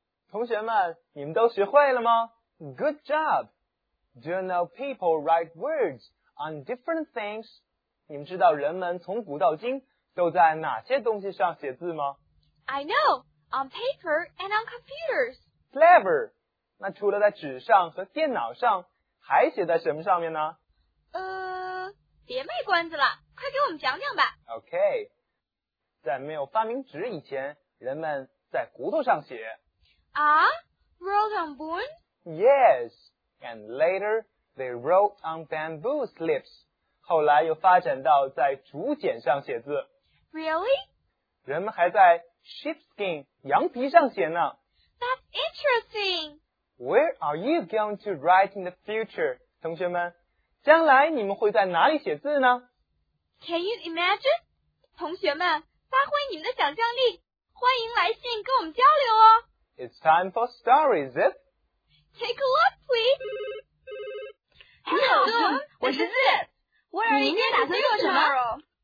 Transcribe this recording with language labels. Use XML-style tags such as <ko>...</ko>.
<zh>同学们，你们都学会了吗？</zh> <en>Good job! Do you know people write words on different things?</en> <zh>你们知道人们从古到今都在哪些东西上写字吗？</zh> <en>I know! On paper and on computers! Clever!</en> <zh>那除了在纸上和电脑上，还写在什么上面呢？别卖关子了，快给我们讲讲吧。</zh> <en>OK!</en> <zh>在没有发明纸以前，人们在骨头上写。</zh> <en>Wrote on bone? Yes, and later they wrote on bamboo slips.</en> <zh>后来又发展到在竹简上写字。</zh> <en>Really?</en> <zh>人们还在 sheepskin 羊皮上写呢。</zh> <en>That's interesting. Where are you going to write in the future,</en> <zh>同学们？将来你们会在哪里写字呢？</zh> <en>Can you imagine?</en> <zh>同学们，发挥你们的想象力，欢迎来信跟我们交流哦。</zh> <en>It's time for stories, Zip. Take a look, please.</en> <zh>你好 ，Zip， 我是 Zip。我明天打算做什么</zh>